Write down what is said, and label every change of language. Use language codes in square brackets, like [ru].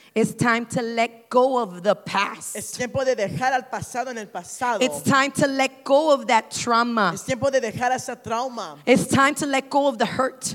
[en] It's time to let go of the past. [es] Es tiempo de dejar al pasado en el pasado. [en] It's time to let go of that trauma. [es] Es tiempo de dejar ese trauma. [en] It's time to let go of the hurt.